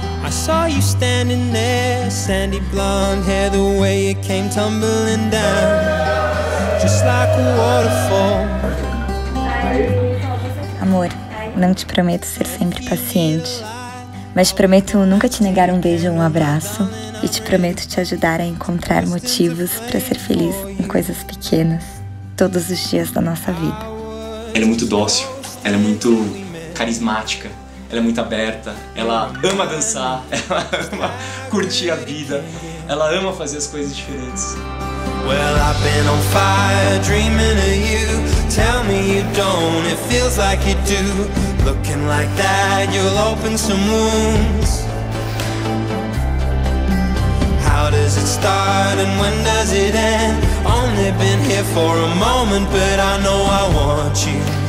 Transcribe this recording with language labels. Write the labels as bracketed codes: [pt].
[en] Saw you standing there, sandy blonde hair, the way it came tumbling down, just like a waterfall. [pt] Amor, não te prometo ser sempre paciente, mas te prometo nunca te negar um beijo ou um abraço, e te prometo te ajudar a encontrar motivos para ser feliz em coisas pequenas, todos os dias da nossa vida. Ela é muito dócil, ela é muito carismática. Ela é muito aberta, ela ama dançar, ela ama curtir a vida, ela ama fazer as coisas diferentes. [en] Well, I've been on fire dreaming of you. Tell me you don't, it feels like you do. Looking like that, you'll open some wounds. How does it start and when does it end? Only been here for a moment, but I know I want you.